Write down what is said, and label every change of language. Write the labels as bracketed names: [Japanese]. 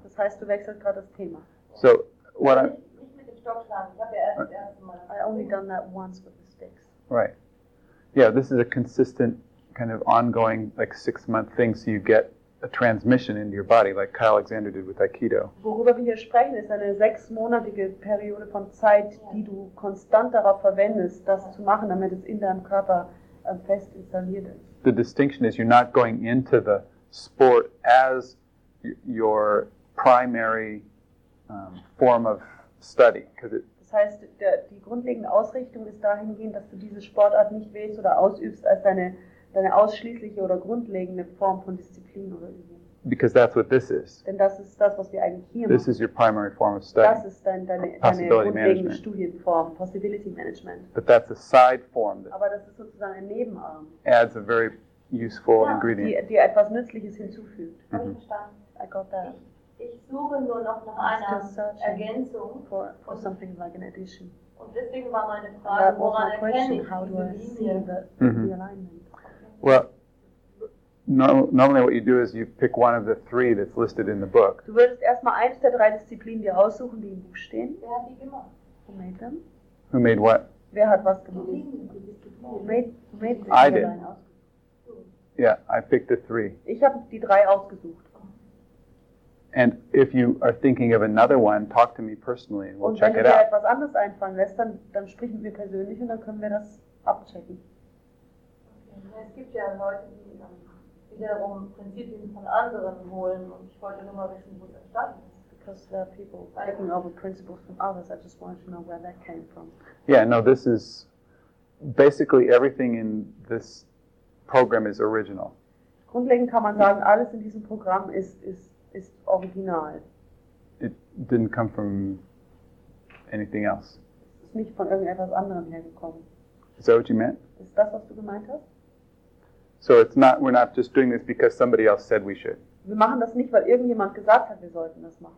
[German] Das heißt, du wechselst gerade das Thema. [English] So what I only done that once with the sticks. Right. Yeah, this is a consistent kind of ongoing, like 6 month thing, so you get a transmission into your body, like Kyle Alexander did with Aikido. [German] Worüber wir hier sprechen, ist eine sechsmonatige Periode von Zeit, die du konstant darauf verwendest, das zu machen, damit es in deinem Körper fest installiert ist. [English] The distinction is, you're not going into the sport as your primary form of study. [German] Das heißt, die grundlegende Ausrichtung ist dahingehend, dass du diese Sportart nicht wählst oder ausübst als deine ausschließliche oder grundlegende Form von Disziplin oder Übung. [English] Because that's what this is. [German] Denn das ist das, was wir eigentlich hier [English] this [German] machen. [English] Is your primary form of study. [German] Das ist deine grundlegende [English] management. [German] Studienform, Possibility Management. [English] But that's a side form that [German] aber das ist sozusagen ein Nebenarm. [English] Adds a very useful ingredient. [German] Die etwas Nützliches hinzufügt. Mm-hmm. [English] I got that. [German] Ich suche nur noch nach einer Ergänzung. [English] For something like an addition. [German] Und deswegen war meine Frage, woran erkenne ich diese Linie? [English] The alignment. Well, normally what you do is you pick one of the three that's listed in the book. [German] Du würdest erstmal eins der drei Disziplinen dir aussuchen, die im Buch stehen. Wer hat die gemacht? [English] Who made them? Who made what? [German] Wer hat was gemacht? [English] Who made I did. Yeah, I picked the three. [German] Ich habe die drei ausgesucht. [English] And if you are thinking of another one, talk to me personally and we'll check it out. [German] Und wenn dir etwas anderes einfallen lässt, dann sprechen wir persönlich und dann können wir das abchecken. Es gibt ja Leute, die wiederum Prinzipien von anderen holen und ich wollte nur mal wissen, wo es entstanden ist. [English] Because there are people taking over principles from others, I just wanted to know where that came from. Yeah, no, this is basically everything in this program is original. [German] Grundlegend kann man sagen, alles in diesem Programm ist original. [English] It didn't come from anything else. [German] Es ist nicht von irgendetwas anderem hergekommen. [English] Is that what you meant? [German] Ist das, was du gemeint hast? [English] So it's not, we're not just doing this because somebody else said we should. [German] Wir machen das nicht, weil irgendjemand gesagt hat, wir sollten das machen.